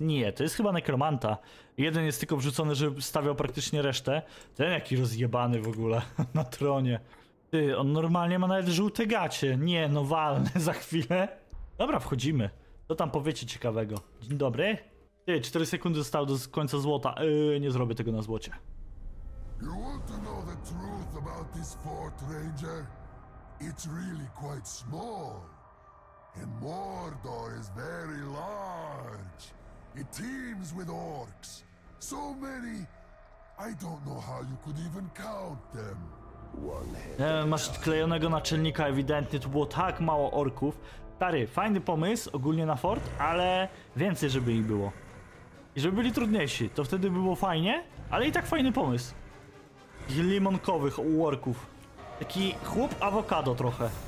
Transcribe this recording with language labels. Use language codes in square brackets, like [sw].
[pl] Nie, to jest chyba nekromanta. Jeden jest tylko wrzucony, żeby stawiał praktycznie resztę. Ten jaki rozjebany w ogóle na tronie. Ty, on normalnie ma nawet żółte gacie. Nie, no walny za chwilę. Dobra, wchodzimy. Co tam powiecie ciekawego? Dzień dobry. Ty, 4 sekundy zostało do końca złota. Nie zrobię tego na złocie. [en] You want to know the truth about this fort, Ranger? It's really quite small. And Mordor is very large. It teems with orcs. So many, I don't know how you could even count them. [pl] Masz klejonego naczelnika, ewidentnie tu było tak mało orków. Stary, fajny pomysł ogólnie na fort, ale więcej żeby ich było. I żeby byli trudniejsi, to wtedy by było fajnie, ale i tak fajny pomysł. Limonkowych orków. Taki chłop awokado trochę.